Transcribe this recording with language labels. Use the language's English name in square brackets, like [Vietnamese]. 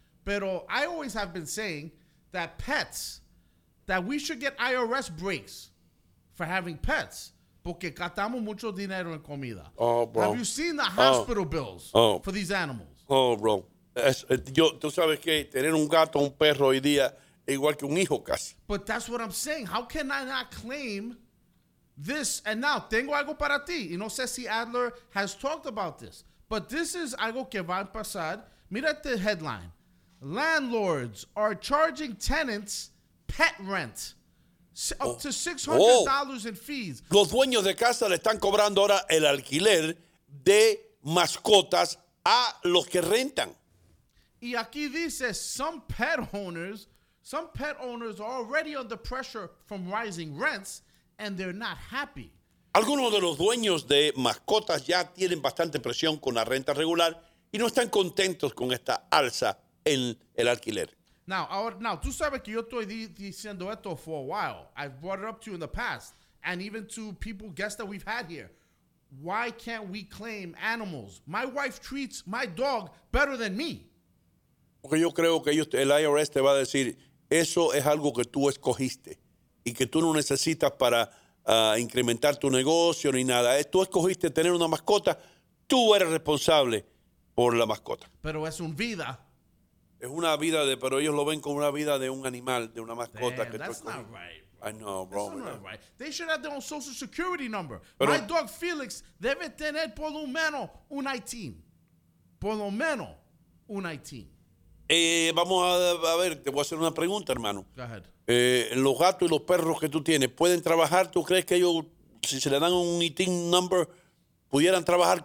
[Spanish] Pero [English] I always have been saying that pets, that we should get IRS breaks for having pets. [Spanish] Porque gastamos mucho dinero en comida. [English] Oh, bro. Have you seen the hospital bills for these animals? Oh, bro. [Spanish] Tú sabes que tener un gato o un perro hoy día es igual que un hijo casi. [English] But that's what I'm saying. How can I not claim this? And now, [Spanish] tengo algo para ti. Y no sé si Adler [English] has talked about this. But this is [Spanish] algo que va a pasar. Mira [English] the headline. Landlords are charging tenants pet rent. Up to $600 in fees. [Spanish] Los dueños de casa le están cobrando ahora el alquiler de mascotas a los que rentan. Y aquí dice, [English] some pet owners are already under pressure from rising rents and they're not happy. [Spanish] Algunos de los dueños de mascotas ya tienen bastante presión con la renta regular y no están contentos con esta alza en el alquiler. [English] Now, [Spanish] tú sabes que yo estoy diciendo esto [English] for a while. I've brought it up to you in the past. And even to people, guests that we've had here. Why can't we claim animals? My wife treats my dog better than me. [Spanish] Porque yo creo que el IRS te va a decir, eso es algo que tú escogiste y que tú no necesitas para incrementar tu negocio ni nada. Tú escogiste tener una mascota. Tú eres responsable por la mascota. Pero es un vida. Es una vida de, pero ellos lo ven como una vida de un animal, de una mascota. [English] Damn, [Spanish] que [English] that's not right. Bro. I know, bro. That's not right. They should have their own social security number. [Spanish] Pero, [English] my dog [Spanish] Felix debe tener por lo menos un 19. Por lo menos un 19. Vamos a ver, te voy a hacer una pregunta, hermano. [English] Go ahead. [Spanish] Los gatos y los perros que tú tienes, ¿pueden trabajar? ¿Tú crees que ellos, si se le dan un 19 number, pudieran trabajar?